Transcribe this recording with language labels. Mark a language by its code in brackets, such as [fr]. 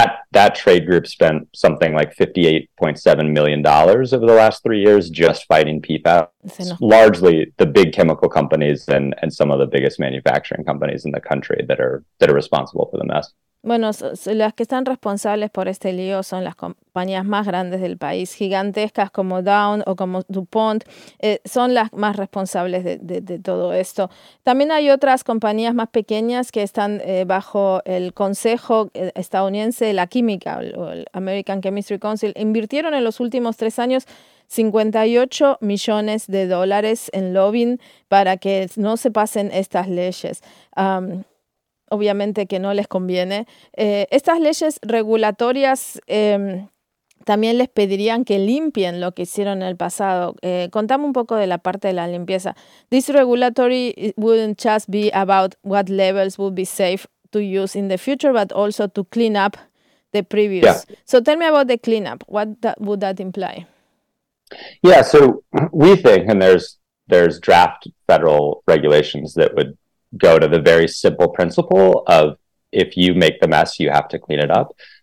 [en] That trade group spent something like $58.7 million over the last 3 years just fighting PFAS. It's largely the big chemical companies and some of the biggest manufacturing companies in the country that are responsible for the mess. [es] Bueno, las que están responsables por este lío son las compañías más grandes del país, gigantescas como Dow o como DuPont, son las más responsables de todo esto. También hay otras compañías más pequeñas que están bajo el Consejo Estadounidense de la Química, o el American Chemistry Council. Invirtieron en los últimos 3 años 58 millones de dólares en lobbying para que no se pasen estas leyes. Obviamente que no les conviene. Estas leyes regulatorias también les pedirían que limpien lo que hicieron en el pasado. Contame un poco de la parte de la limpieza. [en] This regulatory wouldn't just be about what levels would be safe to use in the future, but also to clean up the previous. Yeah. So tell me about the cleanup. What that, would that imply? Yeah, so we think, and there's draft federal regulations that would go to the very simple principle of if you make the mess, you have to clean it up.